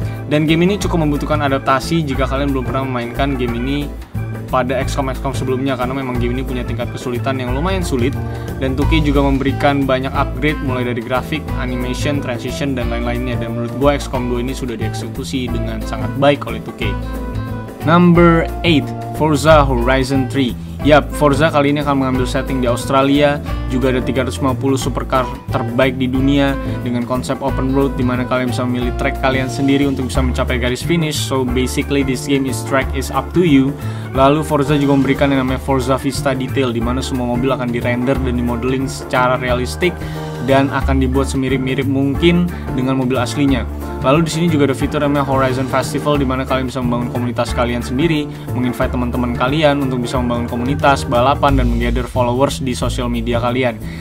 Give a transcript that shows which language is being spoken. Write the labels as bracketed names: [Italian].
[Indonesian] Dan game ini cukup membutuhkan adaptasi jika kalian belum pernah memainkan game ini pada XCOM-XCOM sebelumnya karena memang game ini punya tingkat kesulitan yang lumayan sulit dan 2K juga memberikan banyak upgrade mulai dari grafik, animation, transition, dan lain-lainnya dan menurut gua XCOM 2 ini sudah dieksekusi dengan sangat baik oleh 2K. Number 8, Forza Horizon 3. Yap, Forza kali ini akan mengambil setting di Australia, juga ada 350 supercar terbaik di dunia dengan konsep open road di mana kalian bisa memilih track kalian sendiri untuk bisa mencapai garis finish. [English] So basically this game is track is up to you. [Indonesian] Lalu Forza juga memberikan yang namanya Forza Vista Detail di mana semua mobil akan dirender dan dimodeling secara realistik dan akan dibuat semirip-mirip mungkin dengan mobil aslinya. Lalu di sini juga ada fitur namanya Horizon Festival di mana kalian bisa membangun komunitas kalian sendiri, menginvite teman-teman kalian untuk bisa membangun komunitas balapan dan menggather followers di sosial media kalian.